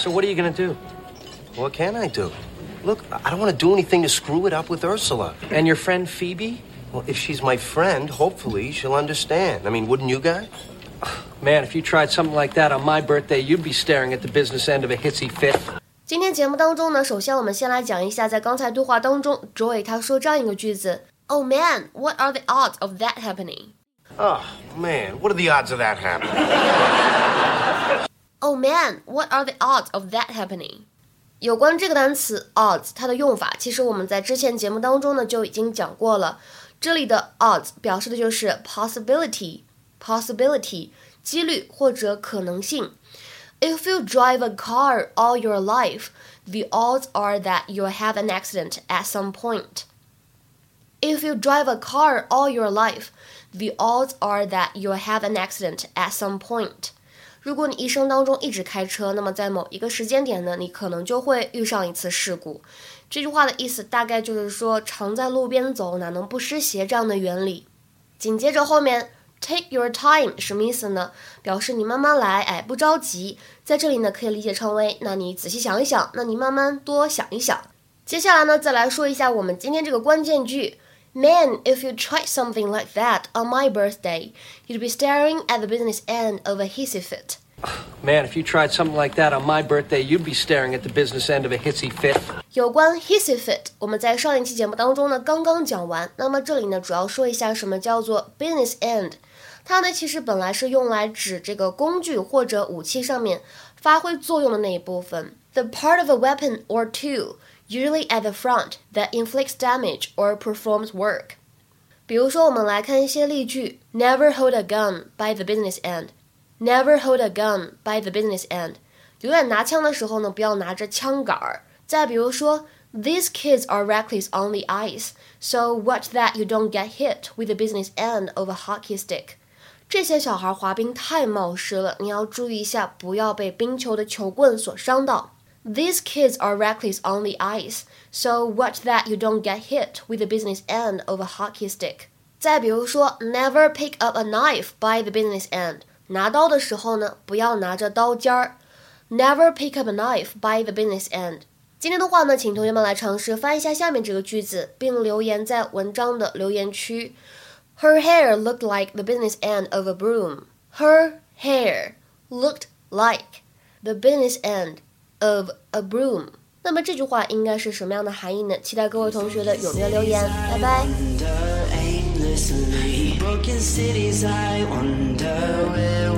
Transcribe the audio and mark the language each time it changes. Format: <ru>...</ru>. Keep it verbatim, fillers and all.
<en>So what are you going to do? What can I do? Look, I don't want to do anything to screw it up with Ursula. And your friend Phoebe? Well, if she's my friend, hopefully she'll understand. I mean, wouldn't you guys? Man, if you tried something like that on my birthday, you'd be staring at the business end of a hissy fit.</en> <zh>今天节目当中呢，首先我们先来讲一下，在刚才对话当中 Joey 他说这样一个句子 Oh man, what are the odds of that happening?</zh> <en>Oh man, what are the odds of that happening? Oh man, what are the odds of that happening?</en> <zh>有关这个单词 odds 它的用法，其实我们在之前节目当中呢就已经讲过了。这里的 odds 表示的就是 possibility possibility 几率或者可能性。</zh> <en>If you drive a car all your life, the odds are that you'll have an accident at some point. If you drive a car all your life, the odds are that you'll have an accident at some point.</en> <zh>如果你一生当中一直开车，那么在某一个时间点呢，你可能就会遇上一次事故。这句话的意思大概就是说，常在路边走，哪能不湿鞋这样的原理。紧接着后面 Take your time 什么意思呢？表示你慢慢来，哎，不着急。在这里呢，可以理解成为，那你仔细想一想，那你慢慢多想一想。</zh> <en>接下来呢，再来说一下我们今天这个关键句 Man, if you tried something like that on my birthday, you'd be staring at the business end of a hissy fit. Man, if you tried something like that on my birthday, you'd be staring at the business end of a hissy fit.</en> <zh>有关 hissy fit 我们在上一期节目当中呢刚刚讲完，那么这里呢主要说一下什么叫做 business end。它呢其实本来是用来指这个工具或者武器上面发挥作用的那一部分。</zh> <en>The part of a weapon or tool, usually at the front, that inflicts damage or performs work. 比如说我们来看一些例句 Never hold a gun by the business end. Never hold a gun by the business end.</en> <zh>永远拿枪的时候呢不要拿着枪杆。</zh> <en>再比如说 These kids are reckless on the ice, so watch that you don't get hit with the business end of a hockey stick.</en> <zh>这些小孩滑冰太冒失了，你要注意一下，不要被冰球的球棍所伤到。</zh> <en>These kids are reckless on the ice, so watch that you don't get hit with the business end of a hockey stick. 再比如说 never pick up a knife by the business end，拿刀的时候呢不要拿着刀尖儿。 never pick up a knife by the business end。</en> <zh>今天的话呢，请同学们来尝试翻译一下下面这个句子，并留言在文章的留言区。</zh> <en>Her hair looked like the business end of a broom. Her hair looked like the business end of a broom。</en> <zh>那么这句话应该是什么样的含义呢？期待各位同学的踊跃留言，拜拜。</zh>